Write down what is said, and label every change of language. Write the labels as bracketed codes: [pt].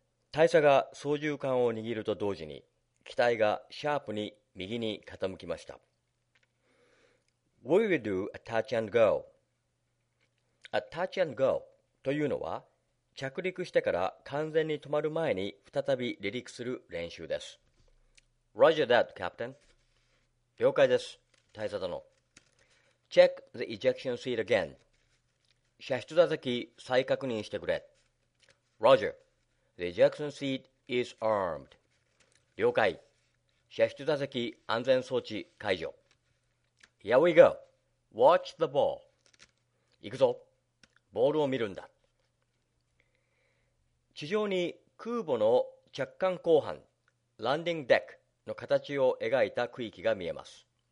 [ja] 大佐が操縦桿を握ると同時に、機体がシャープに右に傾きました。 [en] We will do a touch and go. [ja] A touch and go というのは、着陸してから完全に止まる前に再び離陸する練習です。 [en] Roger that, Captain. [ja] 了解です、大佐殿。 [en] Check the ejection seat again. [ja] 射出座席再確認してくれ。 [en] Roger. The ejection seat is armed. [ja] 了解。射出座席安全装置解除。 [en] Here we go. Watch the ball. [ja] 行くぞ。ボールを見るんだ。地上に空母の着艦甲板、ランディングデックの形を描いた区域が見えます。